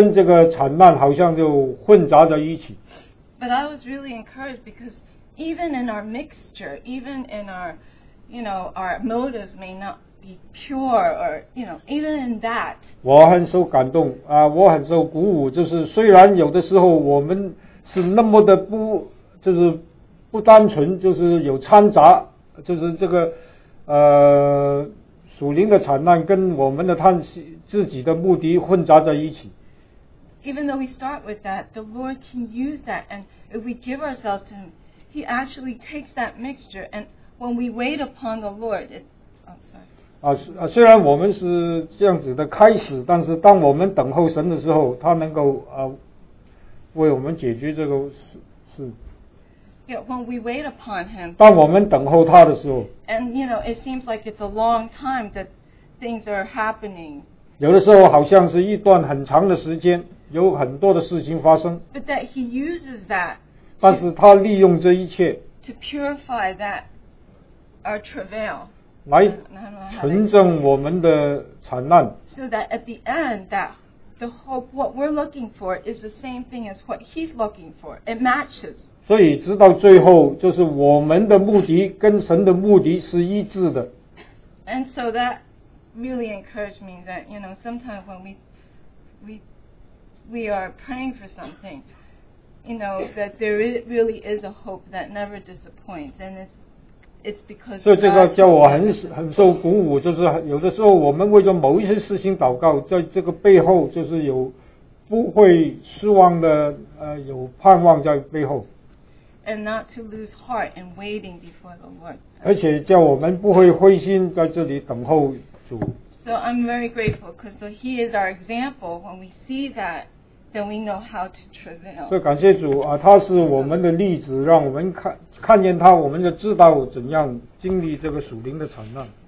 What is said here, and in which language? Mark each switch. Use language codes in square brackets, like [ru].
[zh] 因此在我们的里面就有了叹息，所以后来就常常我们的叹息跟这个惨难好像就混杂在一起。 [en] But I was really encouraged because even in our mixture, even in our, you know, our motives may not be pure, or, you know, even in that. [zh] 我很受感动，我很受鼓舞，就是虽然有的时候我们是那么的不单纯，就是有掺杂，就是这个属灵的惨难跟我们的叹息自己的目的混杂在一起。 [en] Even though we start with that, the Lord can use that, and if we give ourselves to Him, He actually takes that mixture and when we wait upon the Lord, when we wait upon Him, [zh] 当我们等候他的时候, [en] and you know, it seems like it's a long time that things are happening. [zh] 有的时候好像是一段很长的时间，有很多的事情发生, [en] but that He uses that, [zh] 但是他利用这一切, [en] to purify that. Our travail, [zh] 来纯正我们的惨难, [en] so that at the end, that the hope, what we're looking for, is the same thing as what He's looking for. It matches. [zh] 所以直到最后，就是我们的目的跟神的目的是一致的。 [en] And so that really encouraged me that, you know, sometimes when we are praying for something, you know, that there really is a hope that never disappoints, and it's because [zh] 有盼望在背后。 [en] and not to lose heart in waiting before the Lord. [zh] 而且叫我们不会灰心在这里等候主。 [en] So I'm very grateful because so he is our example. When we see that, then we know how to travail. [zh] 所以感谢主啊，他是我们的例子，让我们看见他，我们就知道怎样经历这个属灵的惨难。